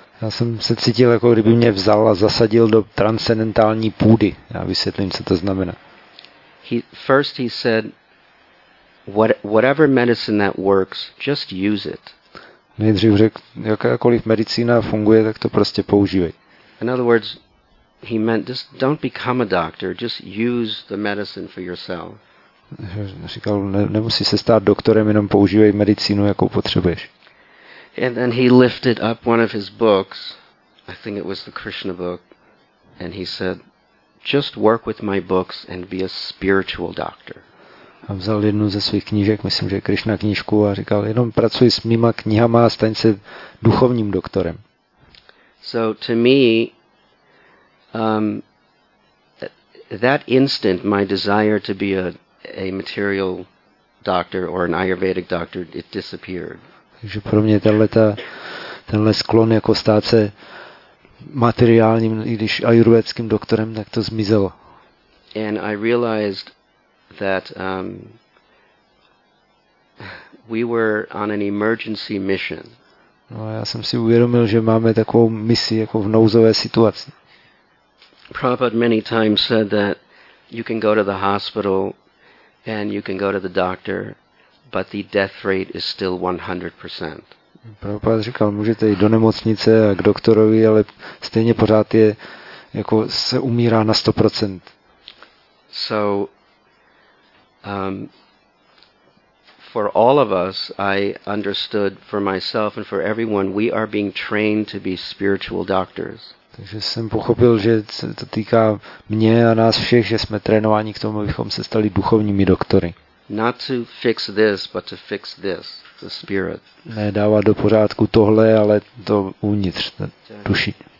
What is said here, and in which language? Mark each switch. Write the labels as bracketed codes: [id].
[cs] Já jsem se cítil, jako kdyby mě vzal a zasadil do transcendentální půdy. Já vysvětlím, co to znamená. [en] First he said, Whatever medicine that works, just use it. [cs] Nejdřív řekl, jakákoliv medicína funguje, tak to prostě používej. [en] In other words, he meant just don't become a doctor, just use the medicine for yourself. [cs] Říkal, nemusí se stát doktorem, jenom používej medicínu, jakou potřebuješ. [en] And then he lifted up one of his books, I think it was the Krishna book, and he said, just work with my books and be a spiritual doctor. [cs] A vzal jednu ze svých knížek, myslím, že Krishna knížku, a říkal, jenom pracuj s mýma knihama a staň se duchovním doktorem. [en] So to me, that instant, my desire to be a material doctor or an Ayurvedic doctor, it disappeared. [cs] Takže pro mě tenhle sklon jako stát se materiálním, i když ayurvédským doktorem, tak to zmizelo. [en] And I realized that we were on an emergency mission. [cs] No, já jsem si uvědomil, že máme takovou misi jako v nouzové situaci. [en] Prabhupada many times said that you can go to the hospital and you can go to the doctor, but the death rate is still 100%. [cs] Prabhupada říkal, můžete jít do nemocnice a k doktorovi, ale stejně pořád je jako se umírá na 100%. [en] So for all of us, I understood for myself and for everyone, we are being trained to be spiritual doctors. [cs] Takže jsem pochopil, že se to týká mě a nás všech, že jsme trénováni k tomu, abychom se stali duchovními doktory. [en] Not to fix this, but to fix this, the spirit. [cs] Ne dávat do pořádku tohle, ale to uvnitř, ta duši.